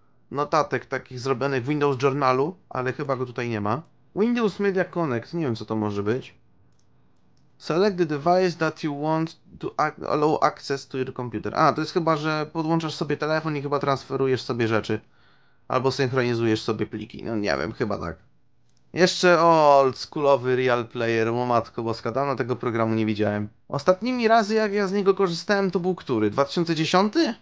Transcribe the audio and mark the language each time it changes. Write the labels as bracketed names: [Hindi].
[Polish] Notatek takich zrobionych w Windows Journalu, ale chyba go tutaj nie ma. Windows Media Connect, nie wiem co to może być. [English] Select the device that you want to allow access to your computer. [Polish] A, to jest chyba, że podłączasz sobie telefon i chyba transferujesz sobie rzeczy. Albo synchronizujesz sobie pliki. No nie wiem, chyba tak. Jeszcze oldschoolowy Real Player, o matko boska, dawno tego programu nie widziałem. Ostatnimi razy jak ja z niego korzystałem to był który? 2010?